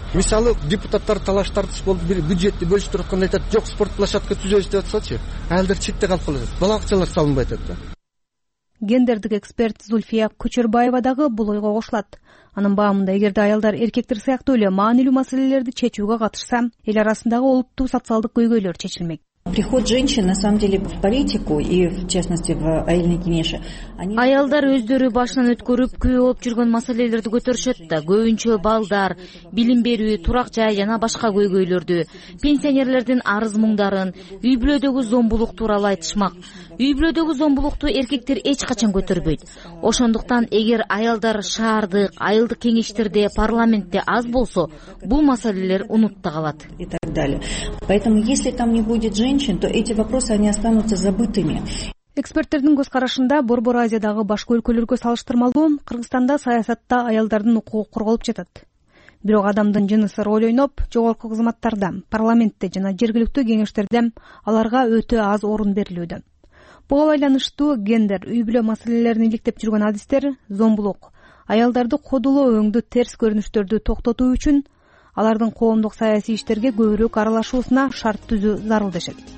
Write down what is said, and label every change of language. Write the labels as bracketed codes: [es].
[ky] Мисалы депутаттар талаш тартыш болду, бир бюджетти бөлүштүрүп атканда айтат, жок спорт площадка түзөбүз деп атсачы, алдар четте калып калат, бала акчалар салынбай атат да. Гендердик эксперт Зульфия Көчөрбаева дагы бул ойго кошулат. Анын баамында эгерде аялдар эркектер сыяктуу эле маанилүү маселелерди чечүүгө катышса, эл арасындагы олуттуу социалдык көйгөйлөр чечилмек. [ru] Приход женщин на самом деле в политику и в частности в [ky] айылдын кеңеши. Аялдар өздөрү башынан өткөрүп күйөө болуп жүргөн маселелерди көтөрүшөт да, көбүнчө балдар, билим берүү, турак жай жана башка көйгөйлөрдү, пенсионерлердин арыз муңдарын, үй бүлөдөгү зомбулук тууралуу айтышмак. Үй бүлөдөгү зомбулукту эркектер эч качан көтөрбөйт. Ошондуктан эгер аялдар шаардык, айылдык кеңештерде, парламентте аз болсо, бул маселелер унутта калат. [ru] И так далее. Поэтому если там не будет женщин, то эти вопросы они останутся забытыми. [ky] Эксперттердин көз карашында Борбор Азиядагы башка өлкөлөргө салыштырмалуу, Кыргызстанда саясатта аялдардын укугу корголуп жатат. Бирок адамдын жынысы роль ойноп, жогорку кызматтарда, парламентте жана жергиликтүү кеңештерде аларга өтө аз орун берилүүдө. Буга байланыштуу гендер, үй бүлө маселелерин иликтеп жүргөн адистер, зомбулук, аялдарды кодулоо өңдү терс көрүнүштөрдү токтотуу үчүн алардын коомдук саясий иштерге көбүрөөк аралашуусуна шарт түзүү зарыл дешет.